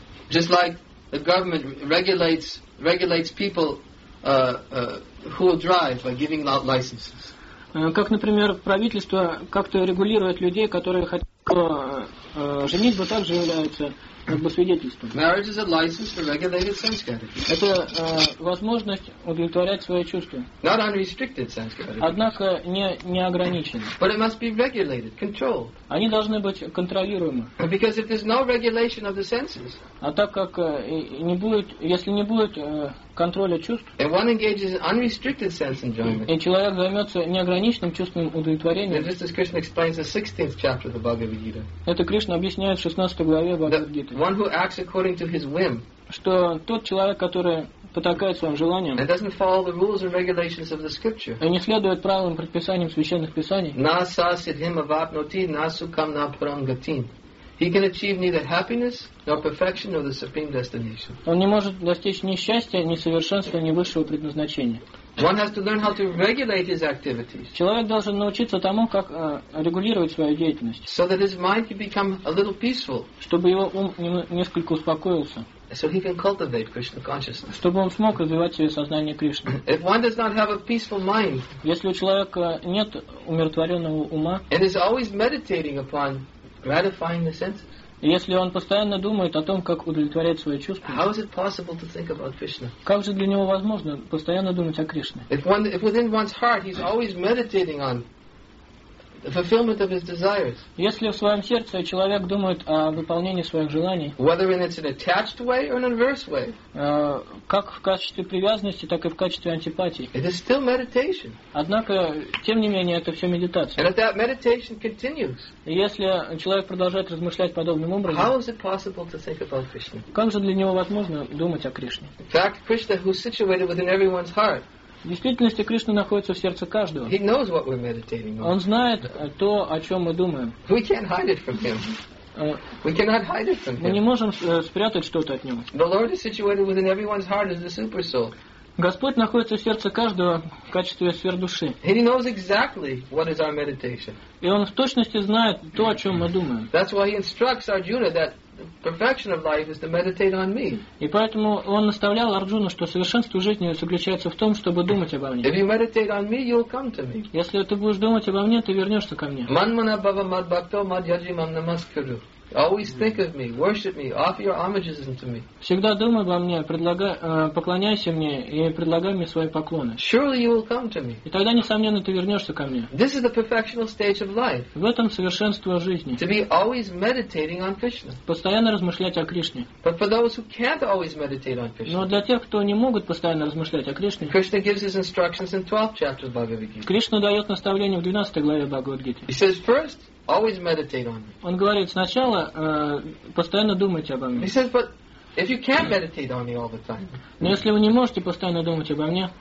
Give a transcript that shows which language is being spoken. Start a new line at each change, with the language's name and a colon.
English: Just like the government regulates people who will drive by giving out licenses.
Russian: Как, например, правительство как-то регулирует людей, которые хотят женить, но также являются как бы свидетельством.
English: Marriage is a license for regulated sense gratification.
Russian: Это возможность удовлетворять свои чувства.
English: Not unrestricted sense gratification.
Russian: Однако не неограниченно.
English: But it must be regulated, controlled.
Russian: Они должны быть контролируемы.
English: Because if there's no regulation of the senses.
Russian: А так как не будет, если не будет контроля чувств.
English: And one engages in unrestricted sense enjoyment.
Russian: И человек займется неограниченным чувственным удовлетворением.
English: And this is Krishna explains the 16th chapter of the Bhagavad Gita.
Russian: Это Кришна объясняет в 16 главе Бхагавад Гиты.
English: One who acts according to his whim.
Russian: Что тот человек, который потакает своим желанием.
English: And doesn't follow the rules and regulations of the scripture.
Russian: И не следует правилам и предписаниям священных писаний.
Sanskrit: Na sa siddhim avapnoti na sukham na param gatim.
English: He can achieve neither happiness nor perfection nor the supreme destination.
Russian: Он не может достичь ни счастья, ни совершенства, ни высшего предназначения.
English: One has to learn how to regulate his activities.
Russian: Человек должен научиться тому, как регулировать свою деятельность.
English: So that his mind can become a little peaceful.
Russian: Чтобы его ум несколько успокоился.
English: So he can cultivate Krishna consciousness.
Russian: Чтобы он смог развивать свое сознание Кришны.
English: If one does not have a peaceful mind,
Russian: если у человека нет умиротворенного ума,
English: and is always meditating upon gratifying the senses.
Russian: Если он постоянно думает о том, как удовлетворять свои чувства,
English: how is it possible to think about Krishna?
Russian: Как же для него возможно постоянно думать о Кришне?
English: If within one's heart he's always meditating on the fulfillment of his desires.
Russian: Если в своем сердце человек думает о выполнении своих желаний,
English: whether in its an attached way or an inverse way,
Russian: как в качестве привязанности, так и в качестве антипатии,
English: it is still meditation.
Russian: Однако, тем не менее, это все медитация.
English: And if that meditation continues,
Russian: если человек продолжает размышлять подобным образом,
English: how is it possible to think about Krishna?
Russian: Как же для него возможно думать о Кришне?
English: In fact, Krishna, who is situated within everyone's heart.
Russian: В действительности Кришна находится в сердце каждого.
English: He knows what we're meditating on.
Russian: Он знает то, о чем мы думаем.
English: We can't hide it from him. We cannot hide it from him.
Russian: Мы не можем спрятать что-то от него.
English: The Lord is situated within everyone's heart as the super soul.
Russian: Господь находится в сердце каждого в качестве сверхдуши.
English: He knows exactly what is our meditation.
Russian: И он в точности знает то, о чем мы думаем.
English: That's why he instructs Arjuna that perfection of life is to meditate on me.
Russian: И поэтому он наставлял Арджуну, что совершенство жизни заключается в том, чтобы думать обо мне.
English: If you meditate on me, you'll come to me.
Russian: Если ты будешь думать обо мне, ты вернешься ко мне.
Sanskrit: Манмана бхава мад бхакто мад яджи мам намаскару.
English: Always think of me, worship me, offer your homages unto me.
Russian: Всегда думай обо мне, поклоняйся мне и предлагай мне свои поклоны.
English: Surely you will come to me.
Russian: И тогда несомненно ты вернешься ко мне.
English: This is the perfectional stage of life.
Russian: В этом совершенство жизни.
English: To be always meditating on Krishna.
Russian: Постоянно размышлять о Кришне.
English: But for those who can't always meditate on Krishna.
Russian: Но для тех, кто не могут постоянно размышлять о Кришне.
English: Krishna gives his instructions in 12th chapter of Bhagavad Gita.
Russian: Кришна дает наставление в 12 главе Бхагавад Гиты.
English: He says first. Always meditate on me.
Russian: Он говорит сначала, постоянно думайте обо мне.
English: He says, but if you can't meditate on me all the time.
Russian: Но если вы не можете постоянно думать обо мне.